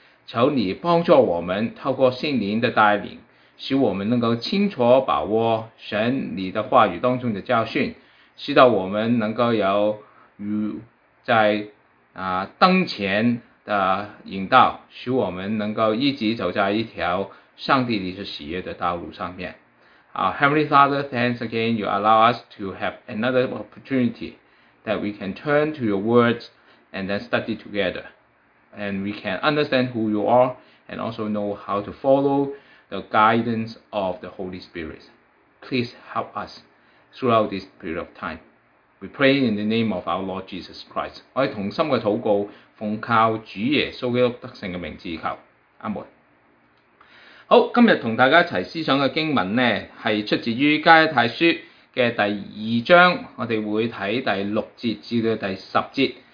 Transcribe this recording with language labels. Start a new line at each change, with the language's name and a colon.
Chinese: 求你帮助我们，透过圣灵的带领，使我们能够清楚把握神你的话语当中的教训，使到我们能够有如在灯前的引导，使我们能够一直走在一条上帝你所喜悦的道路上面。
English: Heavenly Father, thanks again you allow us to have another opportunity that we can turn to your words and then study together. And we can understand who you are and also know how to follow the guidance of the Holy Spirit. Please help us throughout this period of time. We pray in the name of our Lord Jesus Christ.
Chinese: 我们同心的祷告，奉靠主耶稣基督得胜的名字求。阿门。好，今天同大家一起思想的经文呢，是出自于加拉太书的第二章，我们会看第六节至第十节。